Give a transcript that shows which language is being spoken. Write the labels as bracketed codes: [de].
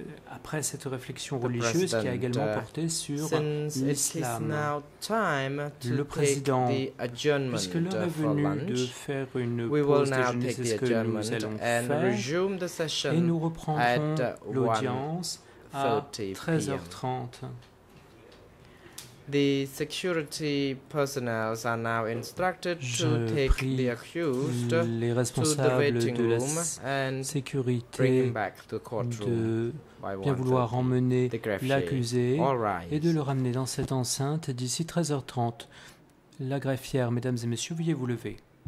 [fr] Après cette réflexion religieuse qui a également porté sur l'islam, le président, puisque l'heure est venue [en] lunch, [fr] de faire une pause déjeuner, c'est ce que nous allons faire, et nous reprendrons l'audience à 13h30. [en] The security personnel are now instructed to take the accused to the waiting room and bring him back to the courtroom. I want to [fr] emmener l'accusé et de le ramener dans cette enceinte d'ici 13h30. La greffière, mesdames et messieurs, veuillez vous lever.